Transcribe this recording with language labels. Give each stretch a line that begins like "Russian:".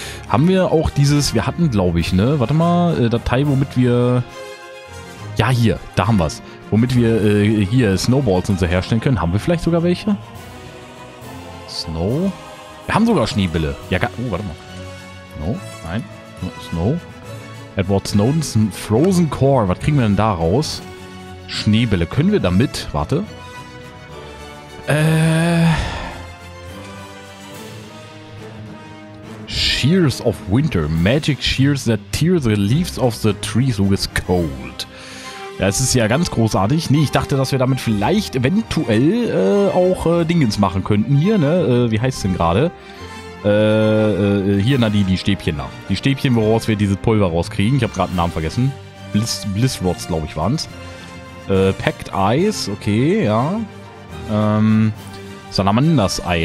German: Haben wir auch dieses, wir hatten glaube ich, ne? Warte mal, Datei, womit wir, ja hier, da haben wir es. Womit wir hier Snowballs und so herstellen können. Haben wir vielleicht sogar welche? Snow? Wir haben sogar Schneebälle. Ja, oh, warte mal. Snow? Nein. Snow?
English: Edward Snowden's Frozen Core.
German: Was kriegen wir denn da raus? Schneebälle. Können wir damit? Warte.
English: Shears of Winter. Magic Shears that tear the leaves of the tree so it's cold.
German: Ja, es ist ja ganz großartig. Nee, ich dachte, dass wir damit vielleicht eventuell auch Dingens machen könnten hier, ne? Wie heißt es denn gerade? Hier, na, die Stäbchen da. Die Stäbchen, woraus wir dieses Pulver rauskriegen. Ich habe gerade einen Namen vergessen. Bliss Rods, glaube ich, waren es. Packed Ice, okay, ja. Salamanders Ei.